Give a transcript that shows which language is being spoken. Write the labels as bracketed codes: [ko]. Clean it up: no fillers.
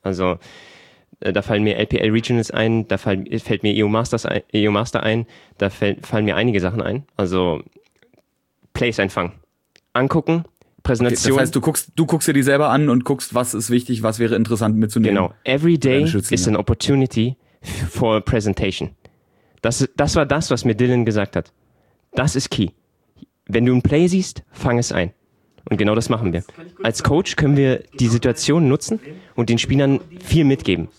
[de] Also da fallen mir LPL Regionals ein, fällt mir EU Master ein, fallen mir einige Sachen ein. Also Plays einfangen, angucken, Präsentation. Okay, das heißt, du guckst dir die selber an und guckst, was ist wichtig, was wäre interessant mitzunehmen. [en] Genau, every day is an opportunity for presentation. [de] Das war das, was mir Dylan gesagt hat. Das ist key. Wenn du ein Play siehst, fang es ein. Und genau das machen wir. Als Coach können wir die Situation nutzen und den Spielern viel mitgeben.